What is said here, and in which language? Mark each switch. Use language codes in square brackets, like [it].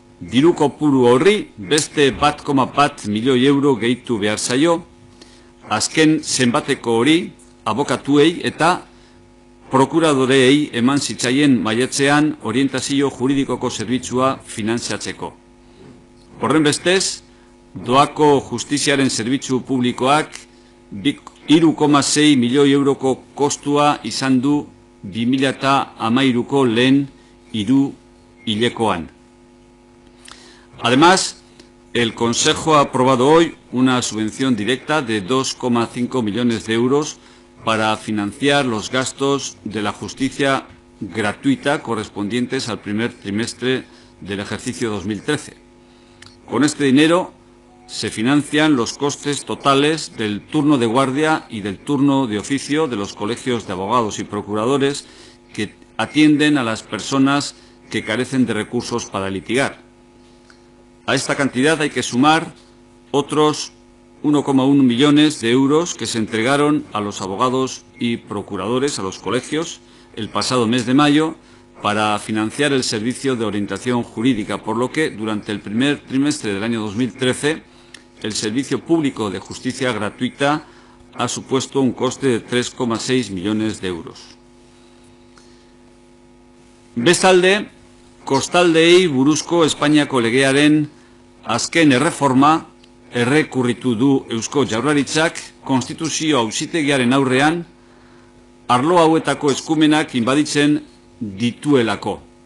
[eu] Diru kopuru horri beste 1,1 milioi euro gehitu behar zaio, azken zenbateko hori abokatuei eta prokuradoreei eman zitzaien maiatzean orientazio juridikoko zerbitzua finantziatzeko. Horrenbestez, doako justiziaren zerbitzu publikoak 3,6 milioi euroko kostua izan du 2013ko lehen hiru hilekoan. [es] Además, el Consejo ha aprobado hoy una subvención directa de 2,5 millones de euros para financiar los gastos de la justicia gratuita correspondientes al primer trimestre del ejercicio 2013. Con este dinero se financian los costes totales del turno de guardia y del turno de oficio de los colegios de abogados y procuradores que atienden a las personas que carecen de recursos para litigar. A esta cantidad hay que sumar otros 1,1 millones de euros que se entregaron a los abogados y procuradores, a los colegios, el pasado mes de mayo, para financiar el servicio de orientación jurídica, por lo que durante el primer trimestre del año 2013 el servicio público de justicia gratuita ha supuesto un coste de 3,6 millones de euros. [eu] Bestalde, kostaldeei buruzko Espainiako legearen azken erreforma errekurritu du Eusko Jaurlaritzak konstituzio auzitegiaren aurrean arlo hauetako eskumenak inbaditzen dituelako.